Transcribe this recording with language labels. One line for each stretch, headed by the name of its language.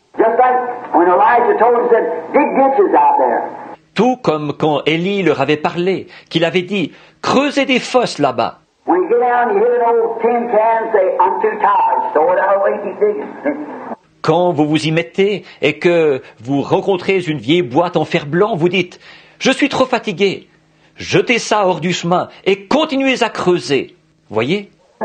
English: Just like when Elijah told him, dig ditches out there.
French: Tout comme quand Élie leur avait parlé, qu'il avait dit, creusez des fosses là-bas.
English: When you get down and you hit an old tin can, say, I'm too tired. Throw it out away, keep digging.
French: Quand vous vous y mettez et que vous rencontrez une vieille boîte en fer blanc, vous dites « Je suis trop fatigué. Jetez ça hors du chemin et continuez à creuser. » Voyez ?